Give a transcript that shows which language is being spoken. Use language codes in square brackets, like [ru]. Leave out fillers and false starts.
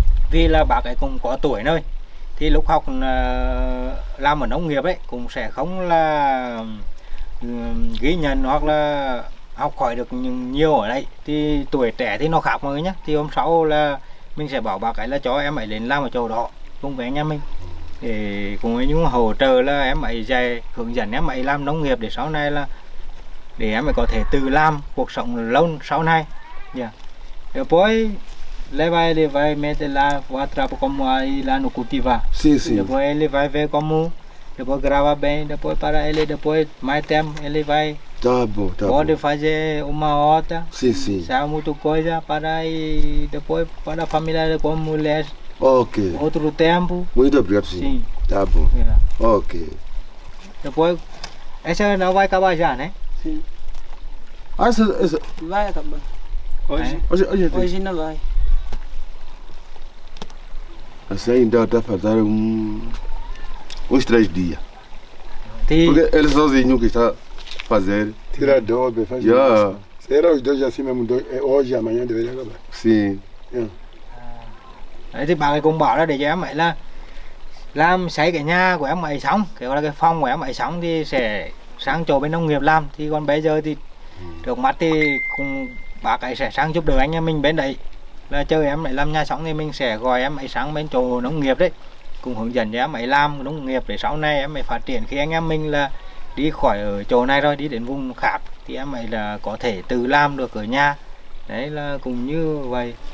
[vi] Vì là bác ấy cũng có tuổi rồi thì lúc học làm ở nông nghiệp ấy cũng sẽ không là ghi nhận hoặc là học hỏi được nhiều ở đây, thì tuổi trẻ thì nó khác mọi người nhé. Thì hôm sau là mình sẽ bảo bác ấy là cho em ấy đến làm ở chỗ đó cùng với anh em mình để cùng với những hỗ trợ là em ấy dạy hướng dẫn em ấy làm nông nghiệp để sau này là để em ấy có thể tự làm cuộc sống lâu sau này. Dạ. [pt] Depois levar ele vai meter lá o atrapo como aí lá no cultivar. Sim, sim. Depois ele vai ver como depois grava bem depois para ele depois mais tempo ele vai. Tá bom, tá bom. Pode fazer uma horta. Sim, sim. Sabe muita coisa para aí depois para a família como mulher. Ok. Outro tempo. Muito obrigado, sim. Tá bom. [en] Yeah. [pt] Ok. Depois, essa não vai acabar já, né? Sim. Ah, essa... Vai acabar. Hoje? É. Hoje não vai. Essa ainda está faltando uns três dias. Porque ele sozinho que está fazendo. Tira a dobe, faz já. Era os dois assim mesmo, hoje, amanhã deveria acabar. Sim. [vi] Đấy, thì bà ấy cũng bảo là để cho em ấy là làm xây cái nhà của em ấy xong, cái gọi là cái phòng của em ấy xong thì sẽ sang chỗ bên nông nghiệp làm. Thì còn bây giờ thì trước mắt thì cùng bác ấy sẽ sang giúp đỡ anh em mình bên đấy, là chờ em ấy làm nhà xong thì mình sẽ gọi em ấy sang bên chỗ nông nghiệp đấy, cùng hướng dẫn cho em ấy làm nông nghiệp để sau này em ấy phát triển, khi anh em mình là đi khỏi ở chỗ này rồi đi đến vùng khác thì em ấy là có thể tự làm được ở nhà đấy, là cũng như vậy.